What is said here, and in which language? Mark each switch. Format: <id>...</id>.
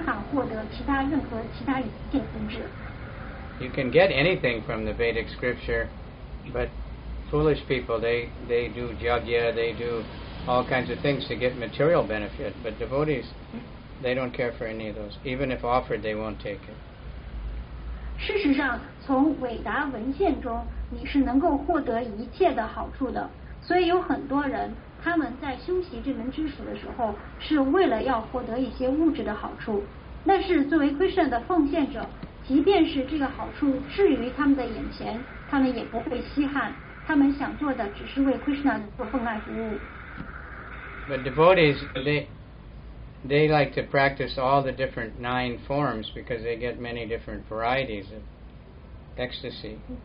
<zh>然而奉献者他除了为Krishna做服务之外，他实际上并不期望或者是希望获得其他任何其他一切分支。</zh> <en>You can get anything from the Vedic scripture, but foolish people, they do yajna, they do all kinds of things to get material benefit, but devotees, they don't care for any of those. Even if offered, they won't take it.</en> <zh>事实上，从韦达文献中，你是能够获得一切的好处的。所以有很多人，他们在修习这门知识的时候，是为了要获得一些物质的好处。但是作为Krishna的奉献者，即便是这个好处至于他们的眼前，他们也不会稀罕。他们想做的只是为Krishna做奉献服务。</zh> <en>But devotees, they like to practice all the different nine forms because they get many different varieties of ecstasy.</en>